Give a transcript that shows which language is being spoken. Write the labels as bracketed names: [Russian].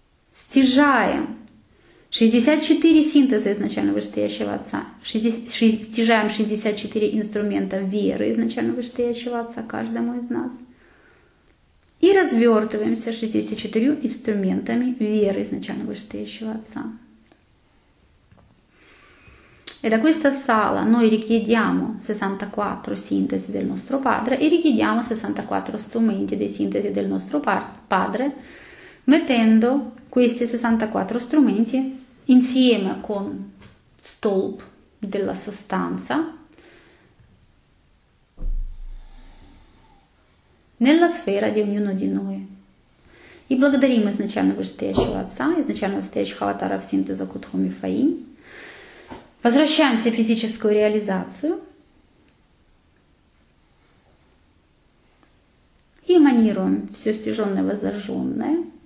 [Russian] Стяжаем 64 синтеза изначально вышестоящего отца. Стяжаем 64 инструмента веры изначально вышестоящего отца каждому из нас. И развертываемся 64 инструментами веры изначально вышестоящего отца. [Italian] E da questa sala noi richiediamo 64 sintesi del nostro padre e richiediamo 64 strumenti di sintesi del nostro padre, mettendo questi 64 strumenti insieme con stolp della sostanza Nella sfera di ognuno di noi. [Russian] І благодарим изначально вищестоящего Отца, изначально вищестоящего Аватара в синтезу Кутхоми Фаинь. Возвращаемся в физическую реализацию. И эманируем все стяженное, возожженное.